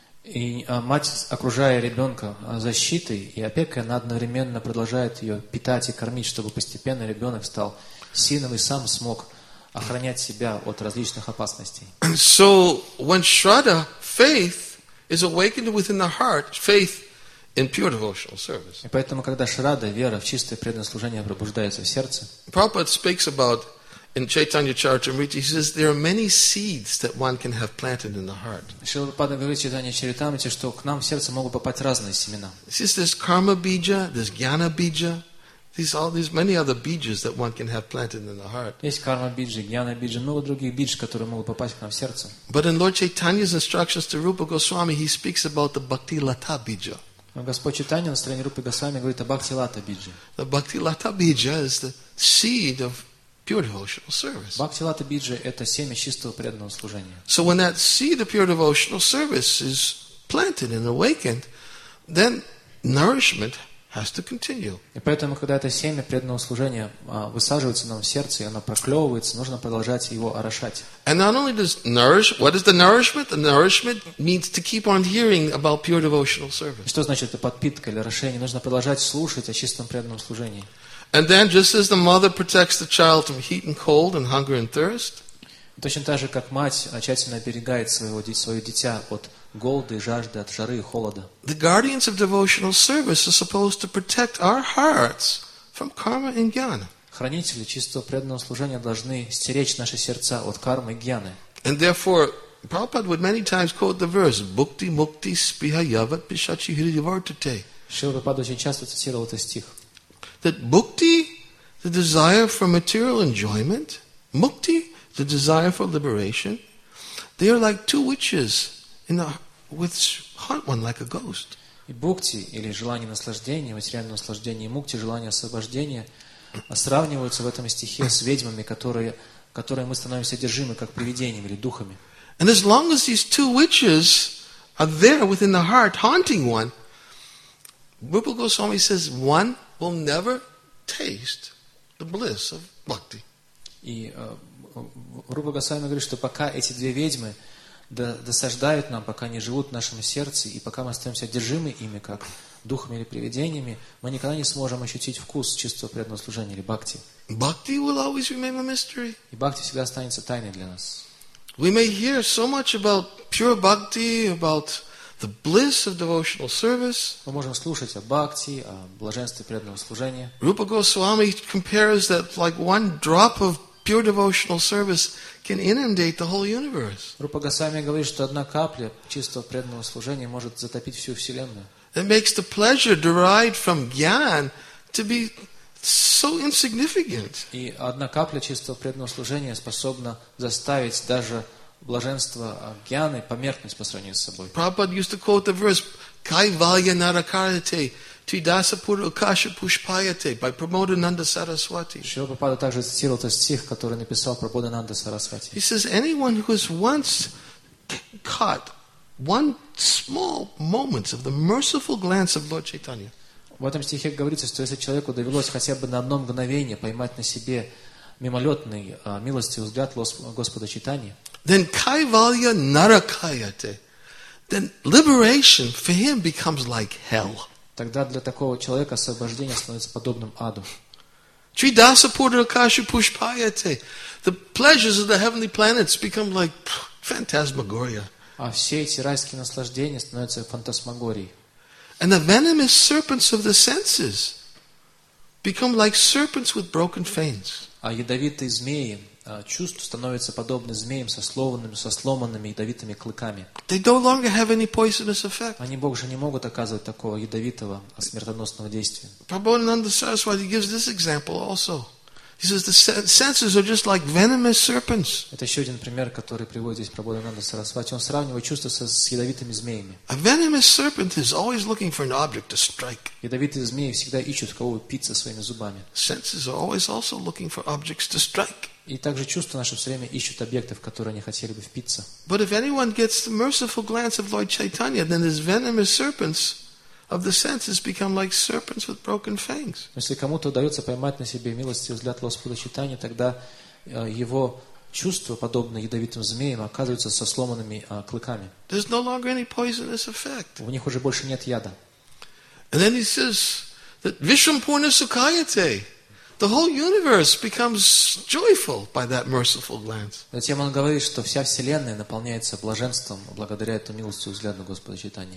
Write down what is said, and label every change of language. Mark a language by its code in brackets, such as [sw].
[ru] И мать, окружая ребенка защитой и опекой, она одновременно продолжает ее питать и кормить, чтобы постепенно ребенок стал сильным и сам смог охранять себя от различных опасностей. [en] So when Shraddha, faith, is awakened within the heart, faith in pure devotional service. [ru] И поэтому, когда Шрадда, вера в чистое преданное служение пробуждается в сердце, [en] Prabhupada speaks about in Chaitanya Charitamrita, he says there are many seeds that one can have planted in the heart. [ru] Шрила Прабхупада говорит в Чайтанья Чаритамрите, что к нам в сердце могут попасть разные семена. [en] He says there's karma bija, there's jnana bija, there's many other bijas that one can have planted in the heart. [ru] Есть карма биджа, гьяна биджа, много других бидж, которые могут попасть к нам в сердце. [en] But in Lord Chaitanya's instructions to Rupa Goswami, he speaks about the bhakti lata bija. [ru] Господь Чайтанья на стороне Рупы Госвами говорит о бхакти лата бидже. [en] The bhakti lata bija is the seed of pure devotional service. [ru] Бхакти лата биджа – это семя чистого преданного служения. [en] So when that seed of pure devotional service is planted and awakened, then nourishment has to continue. [ru] И поэтому, когда это семя преданного служения высаживается нам в сердце, и оно проклевывается, нужно продолжать его орошать. [en] And not only does what is the nourishment? The nourishment means to keep on hearing about pure devotional service. [ru] Что значит это подпитка или орошение? Нужно продолжать слушать о чистом преданном служении. [en] And then, just as the mother protects the child from heat and cold and hunger and thirst, [ru] точно так же, как мать тщательно оберегает свое дитя от голода и жажды, от жары и холода, [en] the guardians of devotional service are supposed to protect our hearts from karma and jnana. [ru] Хранители чистого преданного служения должны стеречь наши сердца от кармы и гьяны. [en] And therefore, Prabhupada would many times quote the verse [sa] "Bhukti mukti spiha yavat pishachi hridivartate." [ru] Шрила Прабхупада очень часто цитировал этот стих. [en] That bhukti, the desire for material enjoyment, mukti, the desire for liberation, they are like two witches in a with hunt one like a ghost. [ru] И бхукти или желание наслаждения, материальное наслаждение, и мукти, желание освобождения, сравниваются в этом стихе с ведьмами, которые мы становимся одержимы как привидениями или духами. [en] And as long as these two witches are there within the heart haunting one, Rupa Goswami says one will never taste the bliss of bhakti. [ru] И Рупа Госвами говорит, что пока эти две ведьмы досаждают нам, пока они живут в нашем сердце, и пока мы остаемся одержимы ими, как духами или привидениями, мы никогда не сможем ощутить вкус чистого преданного служения или бхакти. [en] Bhakti will always remain a mystery. [ru] И бхакти всегда останется тайной для нас. [en] We may hear so much about pure bhakti, about the bliss of devotional service. [ru] Мы можем слушать о бхакти, о блаженстве преданного служения. [en] Rupa Goswami compares that like one drop of pure devotional service can inundate the whole universe. [ru] Rupa Goswami говорит, что одна капля чистого преданного служения может затопить всю вселенную. [en] It makes the pleasure derived from jnana to be so insignificant. [ru] И одна капля чистого преданного служения способна заставить даже блаженство джняны померкнуть по сравнению с собой. [en] Prabhupada used to quote the verse [sa] "Kaivalya narakarate tridasapura kashapushpayate" [en] by Prabodhananda Saraswati. [ru] Шрила Прабхупада также цитировал этот стих, который написал Прабодхананда Сарасвати. [en] He says, "Anyone who has once caught one small moment of the merciful glance of Lord Chaitanya." [ru] В этом стихе говорится, что если человеку довелось хотя бы на одно мгновение поймать на себе мимолетный милостивый взгляд Господа Чайтаньи, [en] then [sa] kaivalya narakayate, [en] then liberation for him becomes like hell. [ru] Тогда для такого человека освобождение становится подобным аду. [sa] Tridasapura kashupushpayate, [en] the pleasures of the heavenly planets become like phantasmagoria. [ru] А все эти райские наслаждения становятся фантасмагорией. [en] And the venomous serpents of the senses become like serpents with broken fangs. [ru] А ядовитые змеи чувств становятся подобны змеям со сломанными ядовитыми клыками. [en] They no longer have any poisonous effect. [ru] Они больше не могут оказывать такого ядовитого, смертоносного действия. [en] Prabodhananda Saraswati gives this example also. He says the senses are just like venomous serpents. [ru] Это еще один пример, который приводит здесь Прабхупада Сарасвати. Он сравнивает чувства с ядовитыми змеями. [en] A venomous serpent is always looking for an object to strike. [ru] Ядовитые змеи всегда ищут, кого упиться своими зубами. [en] Senses are always also looking for objects to strike. [ru] И также чувства наши все время ищут объекты, в которые они хотели бы впиться. [en] But if anyone gets the merciful glance of Lord Chaitanya, then his venomous serpents of the senses become like serpents with broken fangs. [ru] Если кому-то удается поймать на себе милостивый взгляд Господа Чайтаньи, тогда его чувства, подобные ядовитым змеям, оказываются со сломанными клыками. [en] There's no longer any poisonous effect. [ru] В них уже больше нет яда. [en] And then he says that [sa] Vishwam Purna Sukhayate, [en] the whole universe becomes joyful by that merciful glance. [ru] Затем он говорит, что вся вселенная наполняется блаженством благодаря этому милостивому взгляду Господа Чайтаньи.